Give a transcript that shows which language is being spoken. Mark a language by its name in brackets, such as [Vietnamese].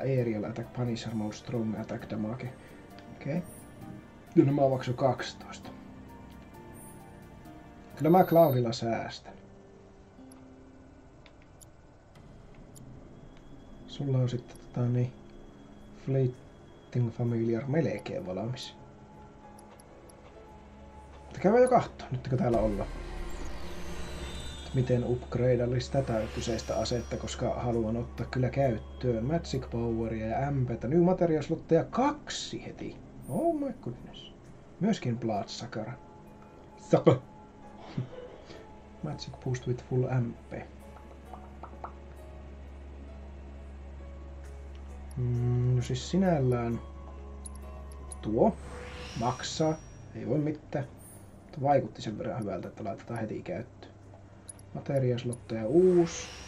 [English] Aerial attack, punisher mode, strong attack, damage. [Finnish] Okei. Okay. Ja nämä maksoi 12. Kyllä mä Cloudilla säästän. Sulla on sitten fleet. Familiar melkein valmis. Käydään jo kattoo, nytkö täällä olla. Miten upgradeallis tätä kyseistä asetta, koska haluan ottaa kyllä käyttöön Magic Poweria ja MP:tä. [English] New Materia [Finnish] slotteja 2 heti. [English] Oh my goodness. [Finnish] Myöskin Bloodsucker. Sapa. [English] Magic Boost with full MP. [Finnish] No siis sinällään tuo maksaa, ei voi mitään, mutta vaikutti sen verran hyvältä, että laitetaan heti käyttöön. Materiaslotteja uusi.